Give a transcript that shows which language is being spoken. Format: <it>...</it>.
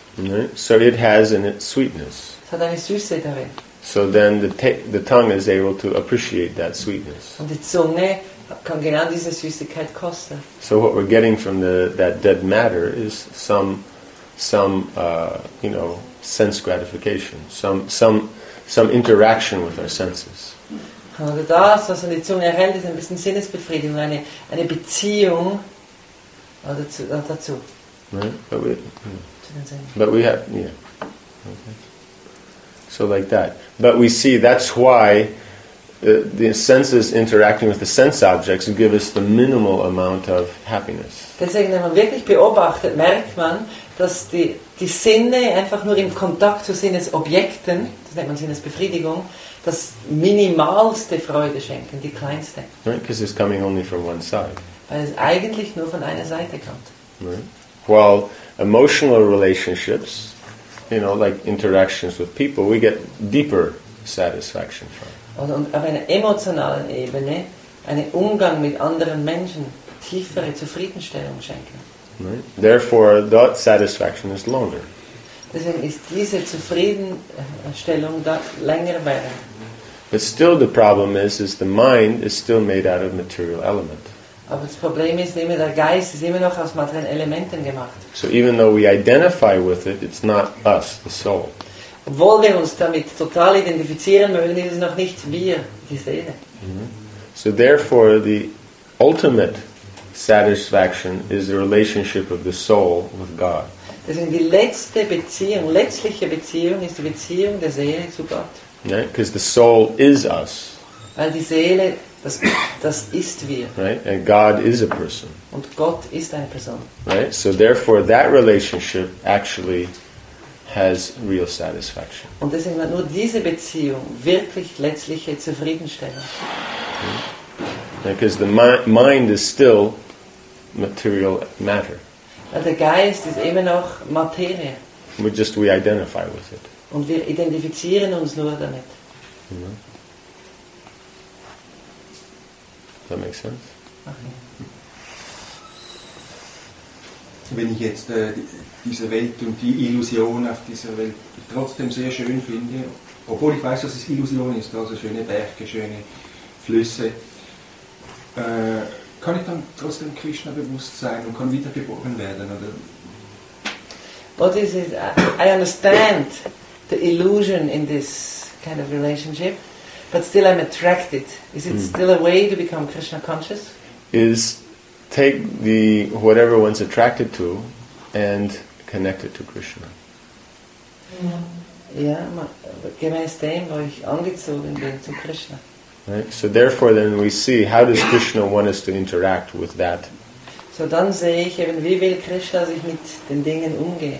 <en>Right? So it has in its sweetness.</en> <de>Es hat eine Süße darin.</de> <en>So then the tongue is able to appreciate that sweetness.</en> <de>Und die Zunge kann genau diese Süßigkeit kosten.</de> <en>So what we're getting from that dead matter is some sense gratification, some interaction with our senses.</en> <de>Oder das, was an die Zunge erhält, ist ein bisschen Sinnesbefriedigung, eine Beziehung dazu.</de> <en>Right? But we have. Okay. So like that. But we see that's why the senses interacting with the sense objects give us the minimal amount of happiness.</en> <de>Deswegen, wenn man wirklich beobachtet, merkt man, dass die Sinne einfach nur im Kontakt zu Sinnesobjekten, das nennt man Sinnesbefriedigung, das minimalste Freude schenken, die kleinste.</de> <en>Right, because it's coming only from one side.</en> <de>Weil es eigentlich nur von einer Seite kommt.</de> <en>Right. While emotional relationships, you know, like interactions with people, we get deeper satisfaction from.</en> <de>Und auf einer emotionalen Ebene einen Umgang mit anderen Menschen tiefere Zufriedenstellung schenken.</de> <en>Right. Therefore, that satisfaction is longer.</en> <de>Deswegen ist diese Zufriedenstellung da länger werden.</de> <en>But still the problem is the mind is still made out of material element.</en> <de>Aber das Problem ist immer, der Geist ist immer noch aus materiellen Elementen gemacht.</de> <en>So even though we identify with it, it's not us, the soul.</en> <de>Obwohl wir uns damit total identifizieren mögen, ist es noch nicht wir, die Seele. Mm-hmm.</de> <en>So therefore the ultimate satisfaction is the relationship of the soul with God.</en> <de>Deswegen die letztliche Beziehung ist die Beziehung der Seele zu Gott.</de> <en>Right? Because the soul is us.</en> <de>Weil die Seele, das ist wir.</de> <en>Right? And God is a person.</en> <de>Und Gott ist eine Person.</de> <en>Right? So therefore that relationship actually has real satisfaction.</en> <de>Und deswegen hat nur diese Beziehung wirklich letztliche Zufriedenstellung.</de> <en>Okay. Because the mind is still material matter.</en> <de>Der Geist ist immer noch Materie.</de> <en>We identify with it.</en> <de>Und wir identifizieren uns nur damit. Mm-hmm.</de> <en>That makes sense? Okay.</en> <de>Wenn ich jetzt diese Welt und die Illusion auf dieser Welt trotzdem sehr schön finde, obwohl ich weiß, dass es Illusion ist, also schöne Berge, schöne Flüsse, kann ich dann trotzdem Krishna bewusst sein und kann wiedergeboren werden? Oder?</de> <en>What is it? I understand the illusion in this kind of relationship, but still I'm attracted. Is it still a way to become Krishna conscious? Is take the whatever one's attracted to and connect it to Krishna.</en> <de>Ja, gemäß dem, wo ich angezogen bin zu Krishna.</de> <en>Right? So therefore then we see how does Krishna want us to interact with that.</en> <de>So dann sehe ich eben, wie will Krishna sich mit den Dingen umgehen.</de>